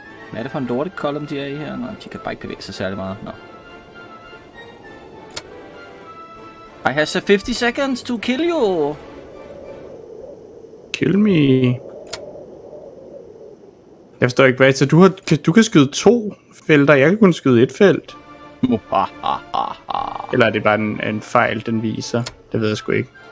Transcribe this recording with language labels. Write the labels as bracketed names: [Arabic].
[Danish] Hvad er det for en lortekolumn, de er i her? Nå, de kan bare ikke bevæge sig særlig meget. Nå. [English] I have 50 seconds to kill you! Kill me! [Danish] Jeg forstår ikke, hvad så du har. Du kan skyde to felter, jeg kan kun skyde et felt. Eller er det bare en fejl, den viser? Det ved jeg sgu ikke.